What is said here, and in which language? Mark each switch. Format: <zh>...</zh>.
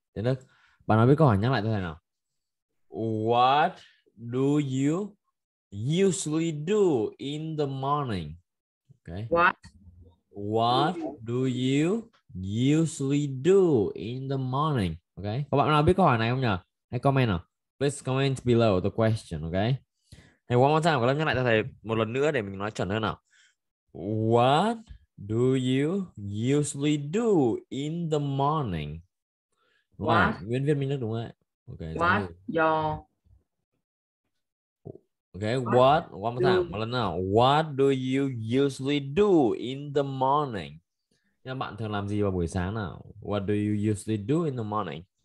<vi>Tiến Đức, bạn nào biết câu hỏi nhắc lại cho thầy nào.</vi> <en>What do you usually do in the morning? Okay. What do you usually do in the morning? Okay.</en> <vi>Có bạn nào biết câu hỏi này không nhỉ? Hãy comment nào.</vi> <en>Please comment below the question, okay? Hey, one more time,</en> <vi>có lẽ nhắc lại cho thầy một lần nữa để mình nói chuẩn hơn nào.</vi> <en>What do you usually do in the morning? What?</en> <vi>Nguyên viên Minh Đức đúng rồi.</vi> <en>Okay. What your... Okay, what? One more time,</en> <vi>một lần nào.</vi> <en>What do you usually do in the morning?</en> <vi>Nhưng bạn thường làm gì vào buổi sáng nào?</vi> <en>What do you usually do in the morning?</en>